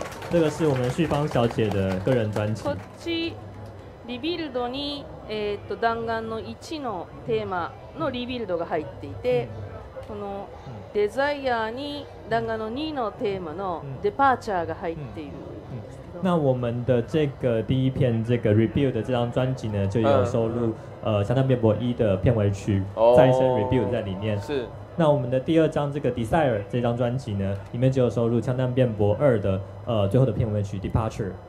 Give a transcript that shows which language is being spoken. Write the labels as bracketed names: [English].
[Chinese] 这个是我们旭芳小姐的个人专辑。 [Japanese] こっち。リビルドに、弾丸の1のテーマのリビルドが入っていて、このデザイアに弾丸の2のテーマのデパーチャーが入っている。 [Chinese] 那我们的这个第一篇这个 Rebuild 的这张专辑呢，就有收录相当辩驳一的片尾曲再生 Rebuild 在里面。是。那我们的第二张这个 Desire 这张专辑呢，里面就有收录相当辩驳二的最后的片尾曲 Departure。